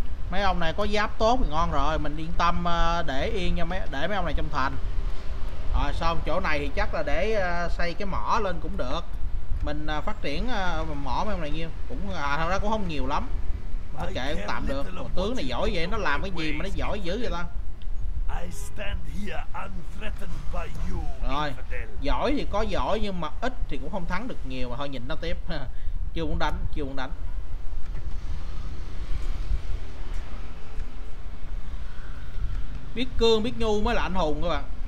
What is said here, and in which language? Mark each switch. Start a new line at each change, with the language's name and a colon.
Vietnamese: Mấy ông này có giáp tốt thì ngon rồi, mình yên tâm để yên cho mấy, để mấy ông này trong thành. Rồi xong chỗ này thì chắc là để xây cái mỏ lên cũng được. Mình phát triển mỏ mấy ông này nhiêu cũng thật ra cũng không nhiều lắm. Bất kể cũng tạm được. Một tướng này giỏi vậy, nó làm cái gì mà nó giỏi dữ vậy ta?
English: I stand here unthreatened by you,
Vietnamese: rồi
English: infidel.
Vietnamese: Giỏi thì có giỏi nhưng mà ít thì cũng không thắng được nhiều mà thôi nhìn nó tiếp. chưa muốn đánh. Biết cương biết nhu mới là anh hùng các bạn.